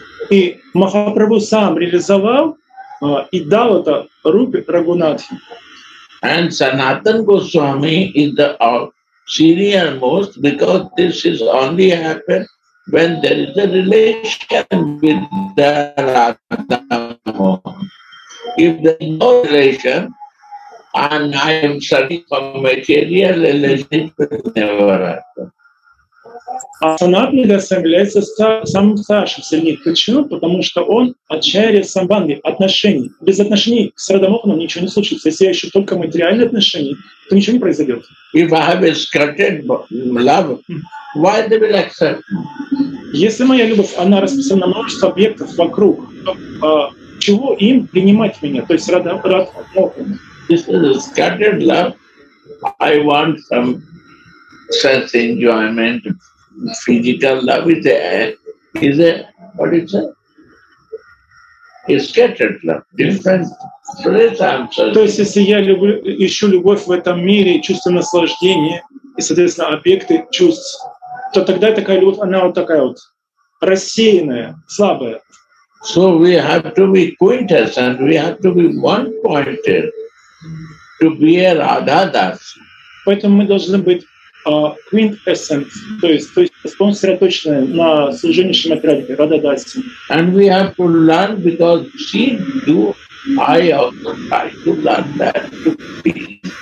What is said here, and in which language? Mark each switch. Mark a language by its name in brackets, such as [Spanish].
[Russian] И Махапрабху сам реализовал и дал это рупе Рагунатхи. [English] And Sanatan Goswami is the senior most because this is only happened when there is a relation with the Radha Mohan. If there is no relation, and I am studying for material relationship, it never happened. [Russian] А Санатан Госвами является самым старшим среди них. Почему? Потому что он ачарья самбанги, отношений. Без отношений с Радха Моханом ничего не случится. Если еще только материальные отношения, то ничего не произойдет. [English] If I have a scattered love, why they will accept? [Russian] Если моя любовь, она расписана на множество объектов вокруг, то, чего им принимать меня? То есть Радха Моханом. [English] This is a scattered love. I want some sense enjoyment. Physical love is a what is it? A scattered love. Different place I'm searching. [Russian] То есть, если я ищу любовь в этом мире, чувство наслаждения и, соответственно, объекты чувств, то тогда такая любовь, она вот такая вот рассеянная, слабая. [English] So we have to be quintessent, we have to be one-pointed. To be a Radha Das. [Russian] Поэтому мы должны быть quintessence, то есть сосредоточены на служении Шримати Радхе, Радха Дас. [English] And we have to learn because she do, I also try to learn that to be.